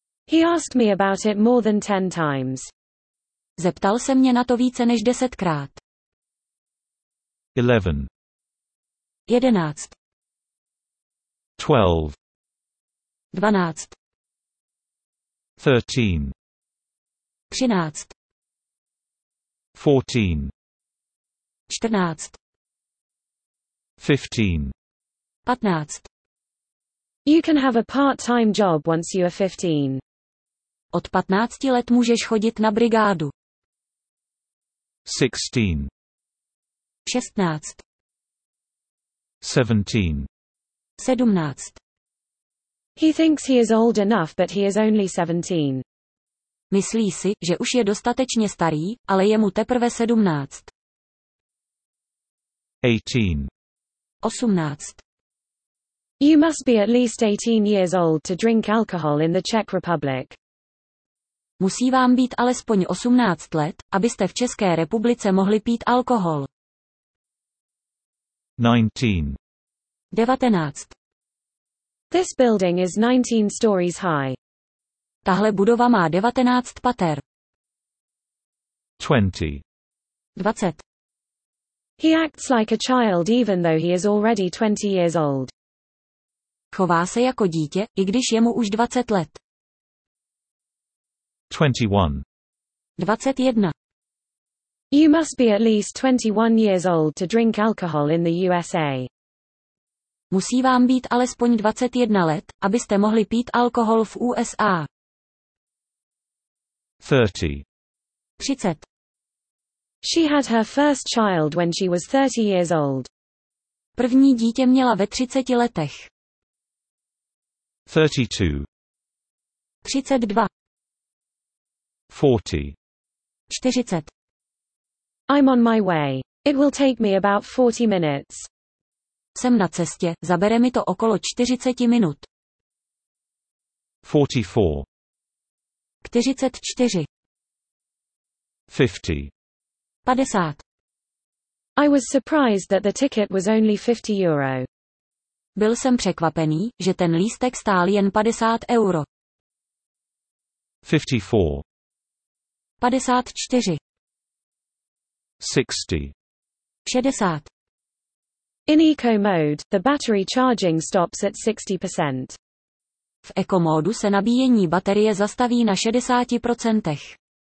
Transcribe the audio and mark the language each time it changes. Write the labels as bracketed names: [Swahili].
[English] He asked me about it more than 10 times. [Czech] Zeptal se mě na to více než 10krát. [English] 11. [Czech] Jedenáct. [English] 12. [Czech] Dvanáct. [English] 13. [Czech] Třináct. [English] 14. [Czech] Čtrnáct. [English] 15. [Czech] Patnáct. [English] You can have a part-time job once you are 15. [Czech] Od 15 let můžeš chodit na brigádu. [English] 16. [Czech] 16. [English] 17. [Czech] 17. [English] He thinks he is old enough, but he is only 17. [Czech] Myslí si, že už je dostatečně starý, ale je mu teprve 17. [English] 18. [Czech] 18. [English] You must be at least 18 years old to drink alcohol in the Czech Republic. [Czech] Musí vám být alespoň 18 let, abyste v České republice mohli pít alkohol. [English] 19. 19. This building is 19 stories high. [Czech] Tahle budova má 19 pater. [English] 20. 20. He acts like a child even though he is already 20 years old. [Czech] Chová se jako dítě, i když je mu už 20 let. [English] 21. [Czech] 21. [English] You must be at least 21 years old to drink alcohol in the USA. [Czech] Musí vám být alespoň 21 let, abyste mohli pít alkohol v USA. [English] 30. [Czech] 30. [English] She had her first child when she was 30 years old. [Czech] První dítě měla ve 30 letech. [English] 32. [Czech] 32. [English] 40. 40. I'm on my way. It will take me about 40 minutes. [Czech] Jsem na cestě, zabere mi to okolo 40 minut. [English] 44. [Czech] 44. [English] 50. [Czech] 50. [English] I was surprised that the ticket was only 50 euro. [Czech] Byl jsem překvapený, že ten lístek stál jen 50 euro. [English] 54. [Czech] 54. [English] 60. [Czech] 60. [English] In eco mode, the battery charging stops at 60%. [Czech] V eco módu se nabíjení baterie zastaví na 60%.